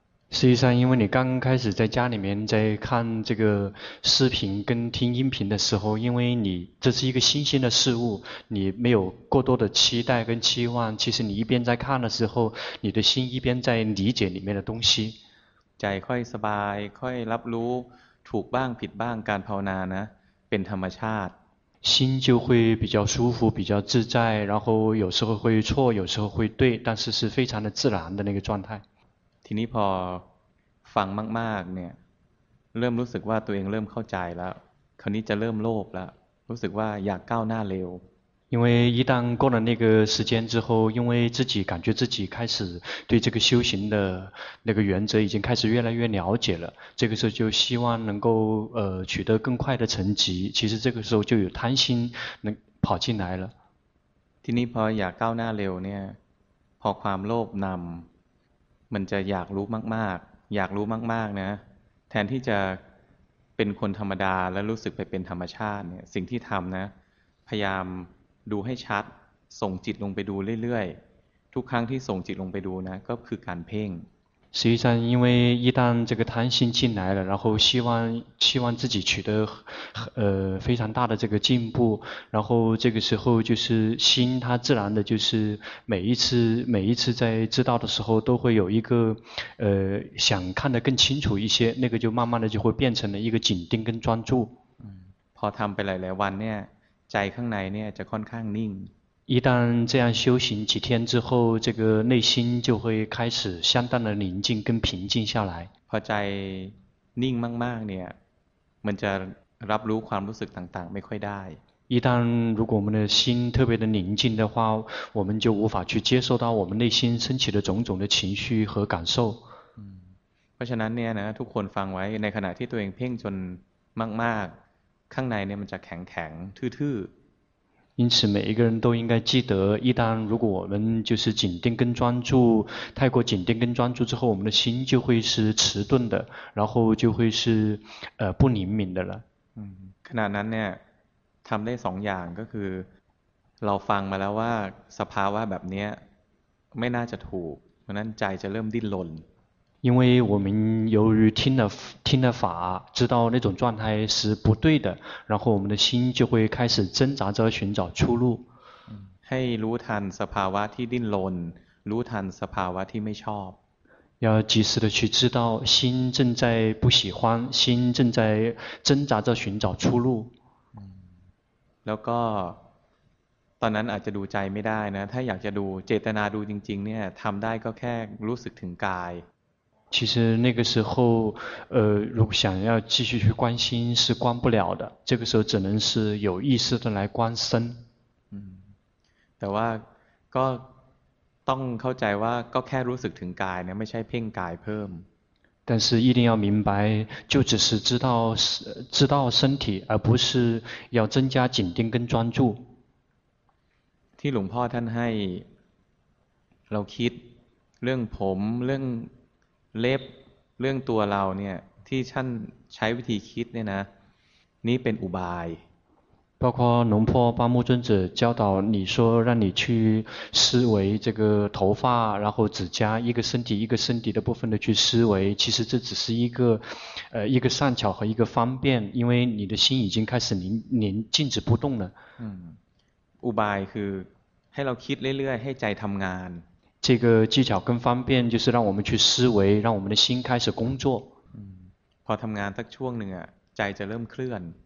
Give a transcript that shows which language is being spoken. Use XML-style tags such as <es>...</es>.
<zh>事实上因为你刚开始在家里面在看这个视频跟听音频的时候因为你这是一个新鲜的事物你没有过多的期待跟期望其实你一边在看的时候你的心一边在理解里面的东西</zh> <th>ใจค่อยสบายค่อยรับรู้ถูกบ้างผิดบ้างการภาวนานะเป็นธรรมชาติ</th> <zh>心就会比较舒服比较自在然后有时候会错有时候会对但是是非常的自然的那个状态</zh> <th>ทีนี้พอฟังมากๆเนี่ยเริ่มรู้สึกว่าตัวเองเริ่มเข้าใจแล้วคราวนี้จะเริ่มโลภแล้วรู้สึกว่าอยากก้าวหน้าเร็ว</th> <zh>因为一旦过了那个时间之后，因为自己感觉自己开始对这个修行的那个原则已经开始越来越了解了，这个时候就希望能够取得更快的成绩，其实这个时候就有贪心能跑进来了。</zh> <th>ที่นี่พออยากก้าวหน้าเร็วเนี่ยพอความโลภนำมันจะอยากรู้มากๆอยากรู้มากๆนะแทนที่จะเป็นคนธรรมดาและรู้สึกไปเป็นธรรมชาติเนี่ยสิ่งที่ทำนะพยายามดูให้ชัดส่งจิตลงไปดูเรื่อยๆทุกครั้งที่ส่งจิตลงไปดูนะก็คือการเพ่ง</th> <zh>实际上因为一旦这个贪心进来了然后希望自己取得非常大的这个进步然后这个时候就是心它自然的就是每一次在知道的时候都会有一个想看得更清楚一些那个就慢慢的就会变成了一个紧盯跟专注</zh> <th>พอทำไปหลายวันเนี่ยใจข้างในเนี่ยจะค่อนข้างนิ่ง</th> <zh>一旦这样修行几天之后这个内心就会开始相当的宁静跟平静下来</zh> <th>พอใจนิ่งมากๆเนี่ยมันจะรับรู้ความรู้สึกต่างๆไม่ค่อยได้</th> <zh>一旦如果我们的心特别的宁静的话我们就无法去接受到我们内心升起的种种的情绪和感受</zh> <th>เพราะฉะนั้นเนี่ยนะทุกคนฟังไว้ในขณะที่ตัวเองเพ่งจนมากๆข้างในเนี่ยมันจะแข็งๆทื่อ</th> <zh>ๆ因此每一个人都应该记得一旦如果我们就是紧盯跟专注太过紧盯跟专注之后我们的心就会是迟钝的然后就会是不灵敏的了</zh> <th>ขณะนั้นเนี่ยทำได้สองอย่างก็คือเราฟังมาแล้วว่าสภาวะแบบนี้ไม่น่าจะถูกเพราะนั้นใจจะเริ่มดิ้นรน</th> <zh>因为我们由于听了法知道那种状态是不对的然后我们的心就会开始挣扎着寻找出路</zh> <th>ให้รู้ทันสภาวะที่ดิ้นรนรู้ทันสภาวะที่ไม่ชอบ</th> <zh>要及时的去知道心正在不喜欢心正在挣扎着寻找出路</zh> <th>แล้วก็ตอนนั้นอาจจะดูใจไม่ได้นะถ้าอยากจะดูเจตนาดูจริงๆเนี่ยทำได้ก็แค่รู้สึกถึงกาย</th> <zh>其实那个时候如果想要继续去关心是关不了的这个时候只能是有意识的来关身</zh> <th>แต่ว่าก็ต้องเข้าใจว่าก็แค่รู้สึกถึงกายเนี่ยไม่ใช่เพ่งกายเพิ่ม</th> <zh>但是一定要明白就只是知道身体而不是要增加紧盯跟专注</zh> <th>ที่หลวงพ่อท่านให้เราคิดเรื่องผมเรื่องเล็บเรื่องตัวเราเนี่ยที่ท่านใช้วิธีคิดเนี่ยนะนี่เป็นอุบาย</th> <zh>包括龙婆巴木尊者教导你说让你去思维这个头发然后指甲一个身体一个身体的部分的去思维其实这只是一个善巧和一个方便因为你的心已经开始静止不动了</zh> <th>อุบายคือให้เราคิดเรื่อยๆให้ใจทำงาน</th> <zh>这个技巧跟方便就是让我们去思维让我们的心开始工作</zh> <th>พอทำงานสักช่วงหนึ่งอ่ะใจจะเริ่มเคลื่อน</th>